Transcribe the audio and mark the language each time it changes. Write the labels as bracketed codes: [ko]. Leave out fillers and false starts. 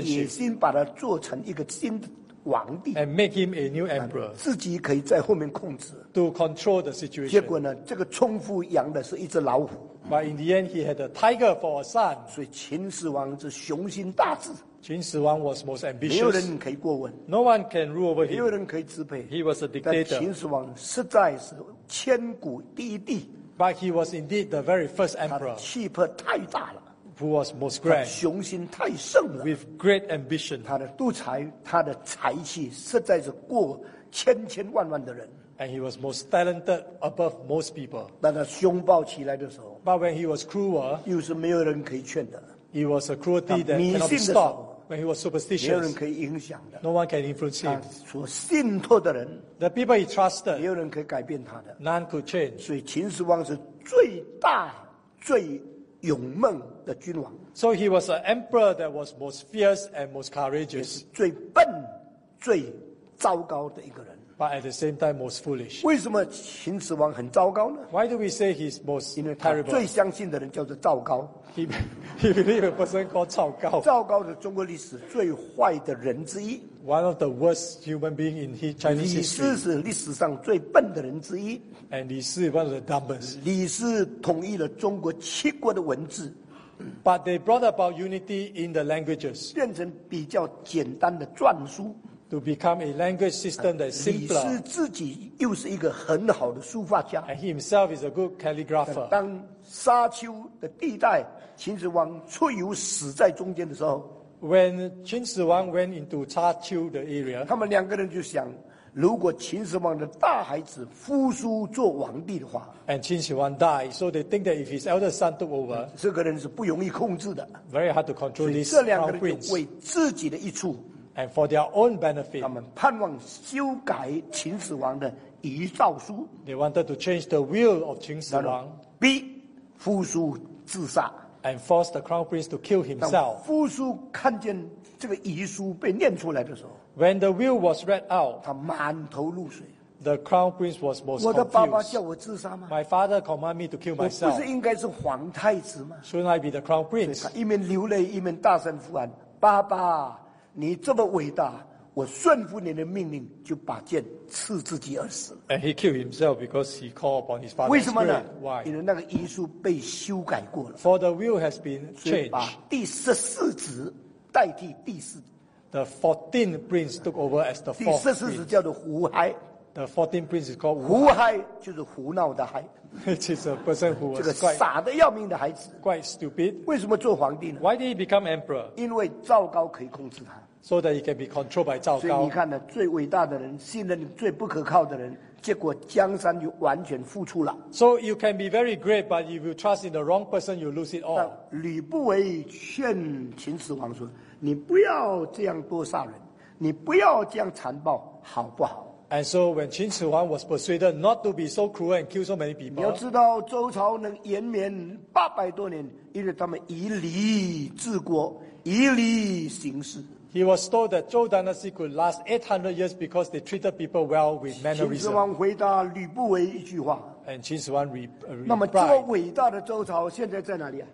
[zh] 用野心把他做成一个新的皇帝。 [en] And make him a new emperor. [zh] 自己可以在后面控制。 [en] To control the situation. [zh] 结果呢，这个宗父养的是一只老虎。 [en] But in the end, he had a tiger for a son. [zh] 所以秦始皇是雄心大志。 [en] 秦始皇 was most ambitious. [zh] 没有人可以过问。 [en] No one can rule over him. [zh] 没有人可以支配。 [en] He was a dictator. [zh] 但秦始皇实在是千古第一帝。 [en] But he was indeed the very first emperor. [zh] 他气魄太大了。 [en] Who was most grand. [zh] 雄心太盛了。 [en] With great ambition. [zh] 他的独裁，他的才气实在是过千千万万的人。 [en] And he was most talented above most people. [zh] 但他凶暴起来的时候。 [en] But when he was cruel, [zh] 又是没有人可以劝的。 [en] He was a cruelty that cannot be stopped. When he was superstitious, [zh] 没有人可以影响的。 [en] No one can influence him. [zh] 他所信托的人。 [en] The people he trusted, [zh] 没有人可以改变他的。 [en] None could change. [zh] 所以秦始皇是最大、最勇猛的君王。 [en] So he was an emperor that was most fierce and most courageous. [zh] 也是最笨、最糟糕的一个人。 [en] But at the same time, most foolish. [zh] 为什么秦始皇很糟糕呢？ [en] Why do we say he's most terrible? [zh] 因为他最相信的人叫做赵高。 [en] He believed a person called 赵高。 [zh] 赵高是中国历史最坏的人之一。 [en] One of the worst human beings in Chinese history. [zh] 李斯是历史上最笨的人之一。 [en] And 李斯 one of the dumbest. [zh] 李斯统一了中国七国的文字。 [en] But they brought about unity in the languages. [zh] 变成比较简单的篆书。 [en] To become a language system that's simpler. [zh] 李斯自己又是一个很好的书法家。 [en] And he himself is a good calligrapher. [zh] 当沙丘的地带，秦始皇蚩尤死在中间的时候。 [en] When 秦始皇 went into Chaozhou the area, [zh] 他们两个人就想，如果秦始皇的大孩子扶苏做皇帝的话 [en] ，and 秦始皇 died, so they think that if his elder son took over, [zh] 这个人是不容易控制的 [en] ，very hard to control this. [zh] 这两个人就为自己的益处 [en] ，and for their own benefit, [zh] 他们盼望修改秦始皇的遗诏书 [en] ，they wanted to change the will of 秦始皇 [zh] ，B, 扶苏自杀 [en] ，and force the crown prince to kill himself. [zh] 扶苏看见这个遗书被念出来的时候。 [en] When the will was read out, [zh] 他满头露水。 [en] The crown prince was most confused. [zh] 我的爸爸叫我自杀吗 [en] ？My father commanded me to kill myself. [zh] 我不是应该是皇太子吗 [en] ？Shouldn't I be the crown prince? [zh] 一面流泪，一面大声呼喊：“爸爸，你这么伟大，我顺服你的命令，就把剑刺自己而死。” [en] And he killed himself because he called upon his father. [zh] 为什么呢 [en] ？Why? [zh] 因为那个遗书被修改过了。 [en] For the will has been changed. [zh] 把第十四子代替第四子。 [en] The 14th prince took over as the fourth prince. [zh] 第十四子叫做胡亥。 [en] The 14th prince is called [zh] 胡亥，就是胡闹的孩。 [en] Which is a person who was [zh] 这个傻的要命的孩子。 [en] Quite stupid. [zh] 为什么做皇帝呢 [en] ？Why did he become emperor? [zh] 因为赵高可以控制他。 [en] So that he can be controlled by 赵高。 [zh] 所以你看呢，最伟大的人，信任最不可靠的人，结果江山就完全付出了。 [en] So you can be very great, but if you trust in the wrong person, you lose it all. [zh] 吕不韦劝秦始皇说。你不要这样多杀人，你不要这样残暴，好不好 [en] ？And so when 秦始皇 was persuaded not to be so cruel and kill so many people， [zh] 你要知道周朝能延绵八百多年，因为他们以礼治国，以礼行事。 [en] He was told that Zhou dynasty could last 800 years because they treated people well with mannerism. [zh] 秦始皇回答吕不韦一句话。 [en] And 秦始皇 [zh] 那么这么伟大的周朝现在在哪里啊